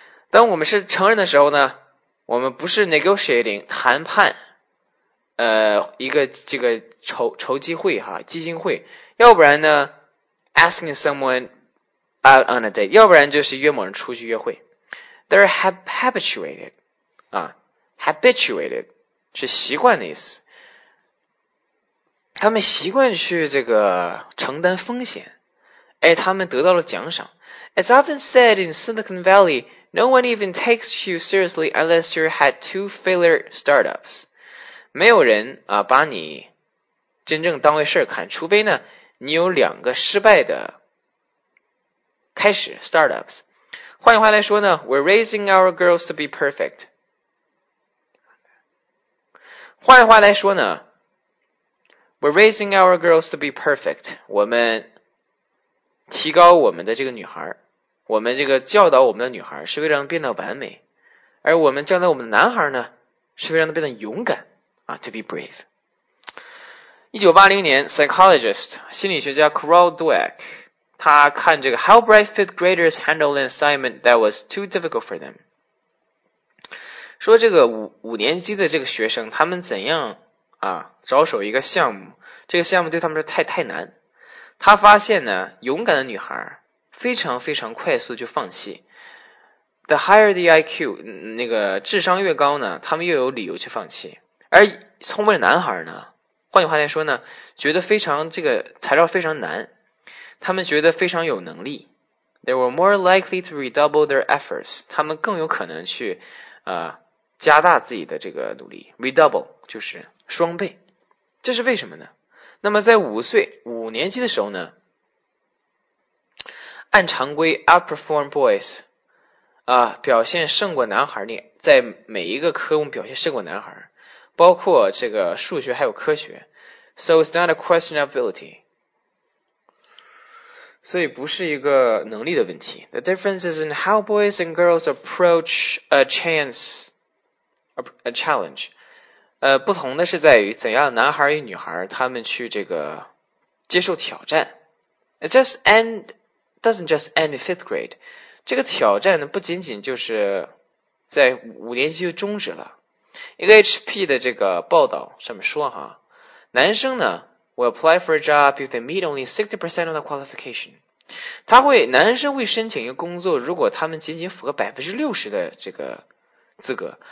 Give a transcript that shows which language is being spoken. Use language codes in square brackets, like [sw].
[zh] 当我们是成人的时候呢，我们不是 negotiating 谈判，一个这个筹机会哈，基金会，要不然呢 [en] asking someone out on a date， [zh] 要不然就是约某人出去约会。 [en] They're habituated [zh] 啊 ，habituated 是习惯的意思，他们习惯去这个承担风险，哎，他们得到了奖赏。 [en] It's often said in Silicon Valley. No one even takes you seriously unless you had two failure startups. [zh] 没有人啊把你真正当回事看，除非呢你有两个失败的开始 startups. 换句话来说呢 [en] ，We're raising our girls to be perfect. [zh] 换句话来说呢 [en] ，We're raising our girls to be perfect. [zh] 我们提高我们的这个女孩。我们这个教导我们的女孩是为了变得完美，而我们教导我们的男孩呢是为了变得勇敢啊 [en] to be brave。 [zh] 1980年 psychologist 心理学家 Carol Dweck 他看这个 [en] How bright fifth graders handle an assignment that was too difficult for them， [zh] 说这个 五年级的这个学生他们怎样啊着手一个项目，这个项目对他们是太难，他发现呢勇敢的女孩非常非常快速就放弃。 [en] The higher the IQ, [zh] 那个智商越高呢，他们越有理由去放弃。而聪明的男孩呢，换句话来说呢，觉得非常这个材料非常难，他们觉得非常有能力。 [en] They were more likely to redouble their efforts, [zh] 他们更有可能去加大自己的这个努力。 Redouble, 就是双倍。这是为什么呢？那么在五年级的时候呢，按常规 [en] outperform boys [zh] 啊，表现胜过男孩，在每一个科目表现胜过男孩，包括这个数学还有科学。 [en] So it's not a question of ability， [zh] 所以不是一个能力的问题。 [en] The difference is in how boys and girls approach a chance a challenge， [zh] 不同的是在于怎样男孩与女孩他们去这个接受挑战。 [en] It just endDoesn't just end in fifth grade. [zh] 这个挑战呢，不仅仅就是在五年级就终止了。一个 HP 的这个报道上面说哈，男生呢 [en] will apply for a job if they meet only 60% of the qualification. [zh] 男生会申请一个工作，如果他们仅仅符合60%的这个资格。